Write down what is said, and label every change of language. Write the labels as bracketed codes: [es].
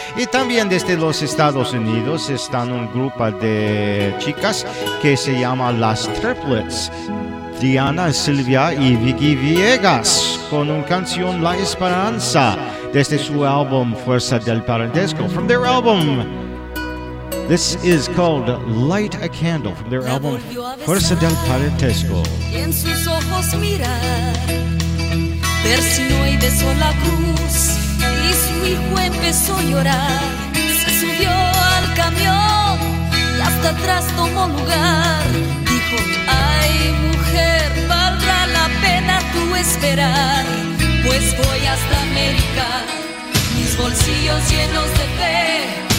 [es] Y también desde los Estados Unidos están un grupo de chicas que se llama Las Triplets, Diana, Silvia y Vicky Villegas, con una canción La Esperanza, desde su álbum Fuerza del Parentesco. [en] From their album, this is called Light a Candle, from their album Fuerza del Parentesco. [es] En sus ojos mira, ver si no hay beso la cruz, y su hijo empezó a llorar. Se subió al camión y hasta atrás tomó lugar. Dijo, ay mujer, valdrá la pena tu esperar, pues voy hasta América, mis bolsillos llenos de fe.